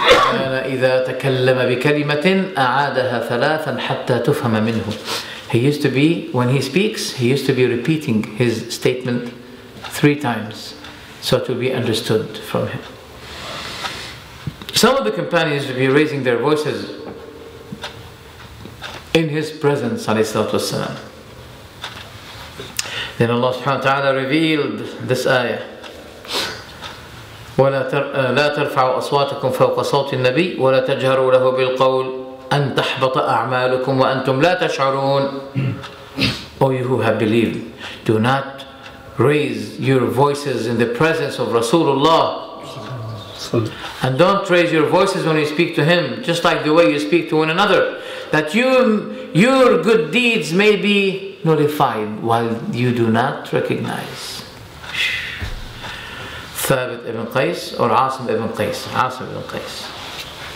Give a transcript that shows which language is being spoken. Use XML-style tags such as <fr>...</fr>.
<ar>كان إذا تكلم بكلمة أعادها ثلاثا حتى تفهم منه.</ar> <en>When he speaks, he used to be repeating his statement 3 times. So to be understood from him. Some of the companions would be raising their voices in his presence, alayhi salatu wasalam. Then Allah subhanahu wa ta'ala revealed this ayah.</en> <ar>وَلَا تَرْفَعُوا أَصْوَاتَكُمْ فَوْقَ صَوْتِ النَّبِيِّ وَلَا تَجْهَرُوا لَهُ بِالْقَوْلِ أَنْ تَحْبَطَ أَعْمَالُكُمْ وَأَنْتُمْ لَا تَشْعَرُونَ.</ar> <en>O you who have believed, do not raise your voices in the presence of Rasulullah. And don't raise your voices when you speak to him, just like the way you speak to one another, that your good deeds may be nullified while you do not recognize. Thabit ibn Qais or Asim ibn Qais? Asim ibn Qais.</en>